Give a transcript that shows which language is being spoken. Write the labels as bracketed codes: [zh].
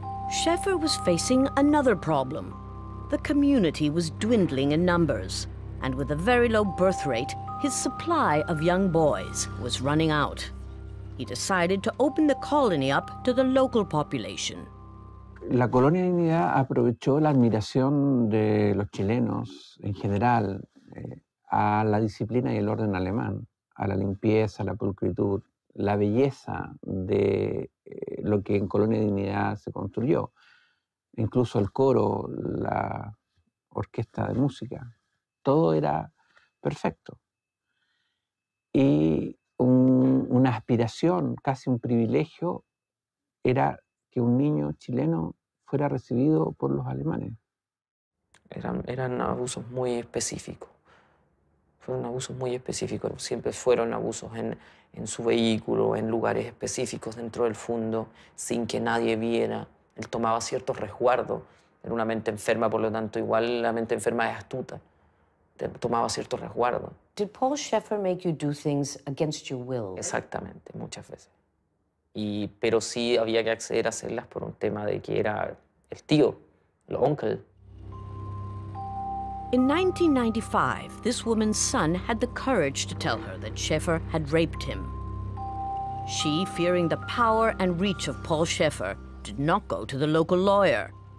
[en] Schaefer was facing another problem. The community was dwindling in numbers, and with a very low birth rate, his supply of young boys was running out. He decided to open the colony up to the local population. [es] La Colonia Dignidad aprovechó la admiración de los chilenos en general a la disciplina y el orden alemán, a la limpieza, la pulcritud, la belleza de lo que en Colonia Dignidad se construyó, incluso el coro, la orquesta de música. Todo era perfecto. Y una aspiración, casi un privilegio, era que un niño chileno fuera recibido por los alemanes. Eran abusos muy específicos. Fueron abusos muy específicos. Siempre fueron abusos en su vehículo, en lugares específicos dentro del fondo, sin que nadie viera. Él tomaba cierto resguardo. Era una mente enferma, por lo tanto, igual la mente enferma es astuta. Tomaba cierto resguardo. [en] Did Paul Schaefer make you do things against your will? [es] Exactamente, muchas veces. Pero sí había que acceder a hacerlas por un tema de que era el tío, el uncle. [en] In 1995, this woman's son had the courage to tell her that Schaefer had raped him. She, fearing the power and reach of Paul Schaefer, did not go to the local lawyer.